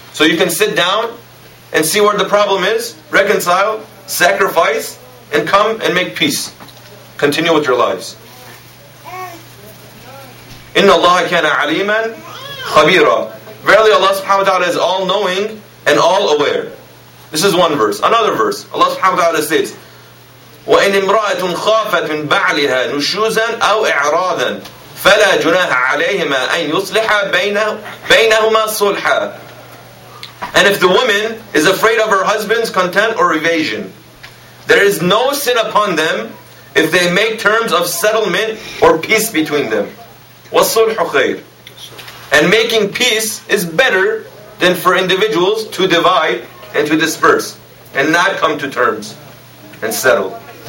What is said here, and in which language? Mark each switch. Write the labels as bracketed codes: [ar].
[en] So you can sit down and see where the problem is, reconcile, sacrifice, and come and make peace. Continue with your lives. [ar] إِنَّ اللَّهَ كَانَ عَلِيمًا خَبِيرًا [en] Verily Allah subhanahu wa ta'ala is all-knowing and all-aware. This is one verse. Another verse. Allah subhanahu wa ta'ala says, [ar] وَإِنْ إِمْرَأَةٌ خَافَتْ مِنْ بَعْلِهَا نُشُوزًا أَوْ إِعْرَاضًا فَلَا جُنَاهَ عَلَيْهِمَا أَنْ يُصْلِحَ بَيْنَهُمَا صُلْحًا. [en] And if the woman is afraid of her husband's contempt or evasion, there is no sin upon them if they make terms of settlement or peace between them. [ar] وَالصُّلْحُ خَيْرٌ. [en] And making peace is better than for individuals to divide and to disperse and not come to terms and settle.